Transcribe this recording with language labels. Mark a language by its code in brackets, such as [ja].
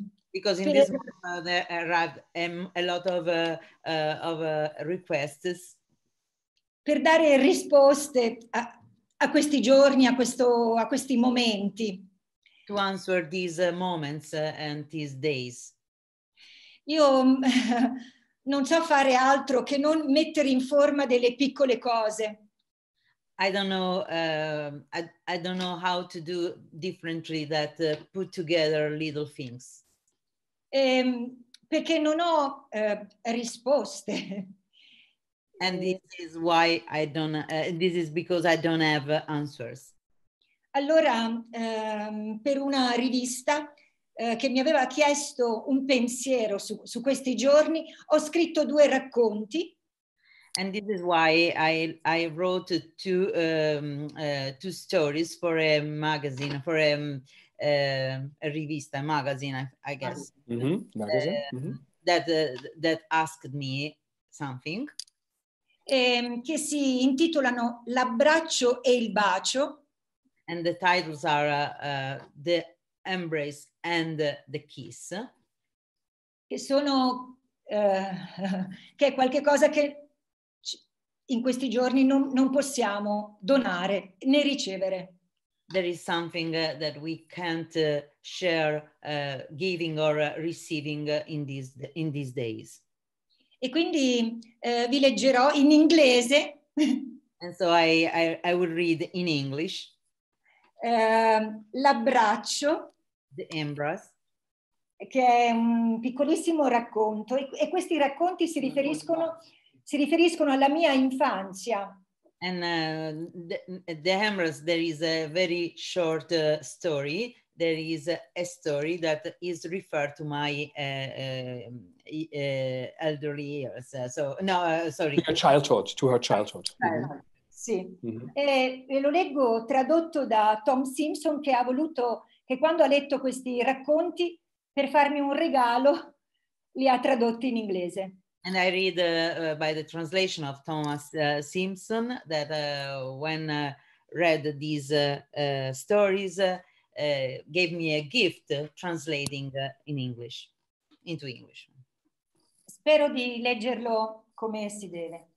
[en] Because in this month there arrived a lot of requests. [it] Per dare risposte a questi giorni, a questi momenti. [en] To answer these moments and these days. [it] Io non so fare altro che non mettere in forma delle piccole cose. [en] I don't know how to do differently that put together little things. [it] Perché non ho risposte. [en] And this is why I don't. This is because I don't have answers. [it] Allora, per una rivista che mi aveva chiesto un pensiero su questi giorni, ho scritto due racconti. [en] And this is why I wrote two stories for a magazine, for a rivista, a magazine, I guess. Mm-hmm. That asked me something. [it] Che si intitolano L'abbraccio e il bacio. [en] And the titles are The Embrace and the Kiss. [it] Che sono, che è qualche cosa che in questi giorni non possiamo donare né ricevere. [en] There is something that we can't share giving or receiving in these days. [it] E quindi vi leggerò in inglese. [en] And so I will read in English. [it] L'abbraccio. [en] The embrace. [it] Che è un piccolissimo racconto. E questi racconti si riferiscono alla mia infanzia. [en] And the embrace, there is a very short story. There is a story that is referred to my elderly years. To her childhood. [it] Sì. Mm-hmm. E lo leggo tradotto da Tom Simpson, che ha voluto, che quando ha letto questi racconti, per farmi un regalo, li ha tradotti in inglese. [en] And I read by the translation of Thomas Simpson, that when read these stories, gave me a gift translating into English. [it] Spero di leggerlo come si deve.